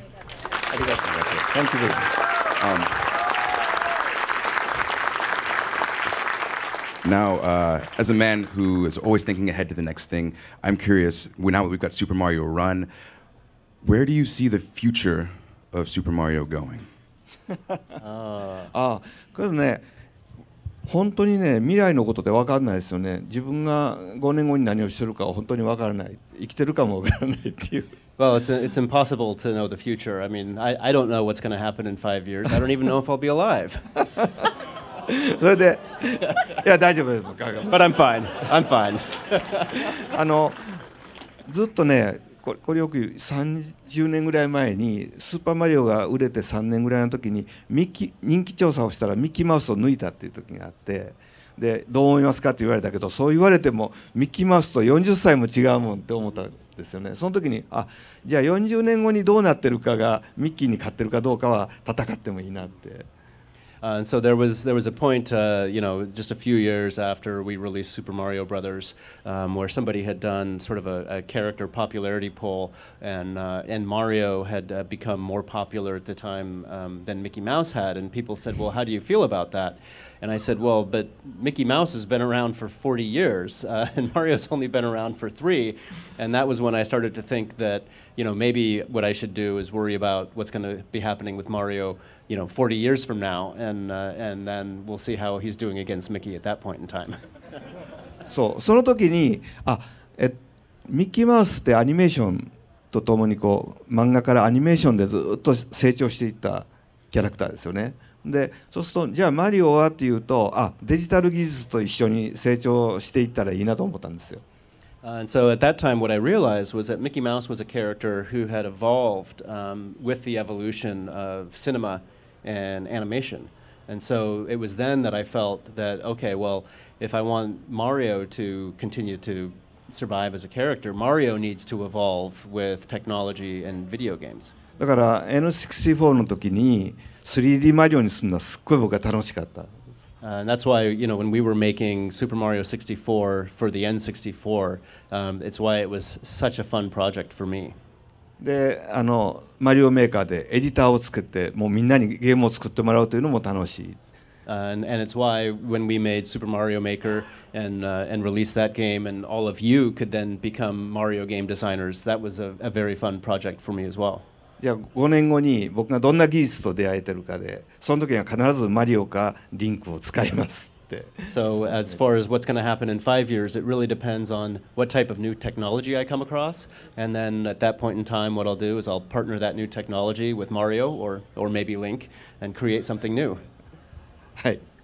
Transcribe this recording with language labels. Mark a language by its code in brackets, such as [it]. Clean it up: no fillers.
[en] Thank you. Now, as a man who is always thinking ahead to the next thing, I'm curious, now that we've got Super Mario Run, where do you see the future of Super Mario going? [ja] ああけどね、本当にね、未来のことって分からないですよね。自分が5年後に何をしてるか本当に分からない、生きてるかも分からないっていう。 [en] Well, it's impossible to know the future. I mean, I don't know what's going to happen in 5 years. I don't even know if I'll be alive. [ja] それで、いや、大丈夫です。 [en] But I'm fine. I'm fine. [ja] あの、ずっとね、これよく言う30年ぐらい前にスーパーマリオが売れて3年ぐらいの時に人気調査をしたらミッキーマウスを抜いたっていう時があって、でどう思いますかって言われたけど、そう言われてもミッキーマウスと40歳も違うもんって思ったですよね。その時に、あ、じゃあ40年後にどうなってるかがミッキーに勝ってるかどうかは戦ってもいいなって。 [en] And so there was a point, you know, just a few years after we released Super Mario Brothers, where somebody had done sort of a character popularity poll, and Mario had become more popular at the time than Mickey Mouse had, and people said, well, how do you feel about that? And I said, well, but Mickey Mouse has been around for 40 years, and Mario's only been around for 3, and that was when I started to think that, you know, maybe what I should do is worry about what's going to be happening with Mario, you know, 40 years from now, and then we'll see how he's doing against Mickey at that point in time. [ja] So, その時に、あ、え、ミッキーマウスってアニメーションとともにこう、漫画からアニメーションでずっと成長していったキャラクターですよね。で、そうすると、じゃあマリオはっていうと、あ、デジタル技術と一緒に成長していったらいいなと思ったんですよ。 [en] And so at that time, what I realized was that Mickey Mouse was a character who had evolved with the evolution of cinema and animation. And so it was then that I felt that, okay, well, if I want Mario to continue to survive as a character, Mario needs to evolve with technology and video games. [ja] だから N64 の時に 3D マリオにするのはすっごい僕は楽しかった。 [en] And that's why, you know, when we were making Super Mario 64 for the N64, it's why it was such a fun project for me. [ja] で、あの、マリオメーカーでエディターを作って、もうみんなにゲームを作ってもらうというのも楽しい。 [en] And it's why when we made Super Mario Maker and released that game and all of you could then become Mario game designers, that was a very fun project for me as well. [ja] じゃあ5年後に僕がどんな技術と出会えてるかで、その時には必ずマリオかリンクを使いますって。 [en] So as far as what's going to happen in 5 years, it really depends on what type of new technology I come across. And then at that point in time, what I'll do is I'll partner that new technology with Mario or maybe Link and create something new. [ja] はい。